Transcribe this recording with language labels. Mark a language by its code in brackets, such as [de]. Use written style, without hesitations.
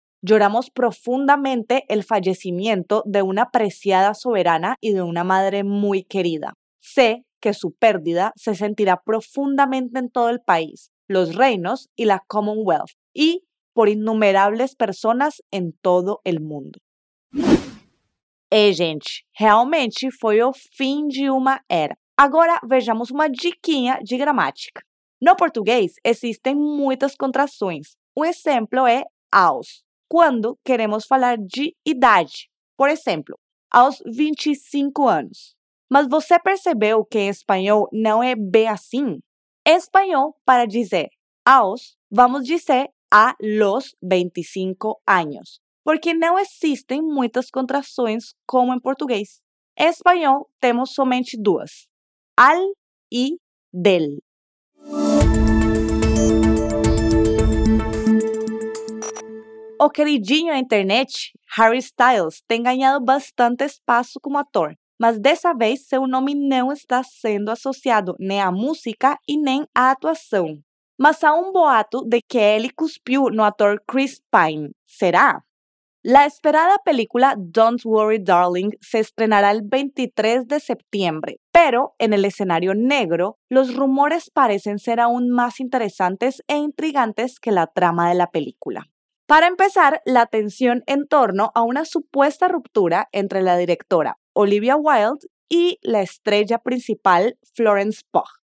[es] Lloramos profundamente el fallecimiento de una apreciada soberana y de una madre muy querida. Sé que su pérdida se sentirá profundamente en todo el país, los reinos y la Commonwealth, y por innumerables personas [pt] em todo o mundo. E, gente, realmente foi o fim de uma era. Agora, vejamos uma diquinha de gramática. No português, existem muitas contrações. Um exemplo é aos, quando queremos falar de idade. Por exemplo, aos 25 anos. Mas você percebeu que em espanhol não é bem assim? Em espanhol, para dizer aos, vamos dizer a los 25 anos, porque não existem muitas contrações como em português. Em espanhol, temos somente duas, al e del. O queridinho internet, Harry Styles, tem ganhado bastante espaço como ator. Mas dessa vez, seu nome não está sendo associado nem à música e nem à atuação. Mas há um boato de que ele cuspiu no ator Chris Pine. Será? [es] A esperada película Don't Worry Darling se estrenará el 23 de septiembre. Pero en el escenario negro, los rumores parecen ser aún más interesantes e intrigantes que la trama de la película. Para empezar, la tensión en torno a una supuesta ruptura entre la directora Olivia Wilde y la estrella principal Florence Pugh.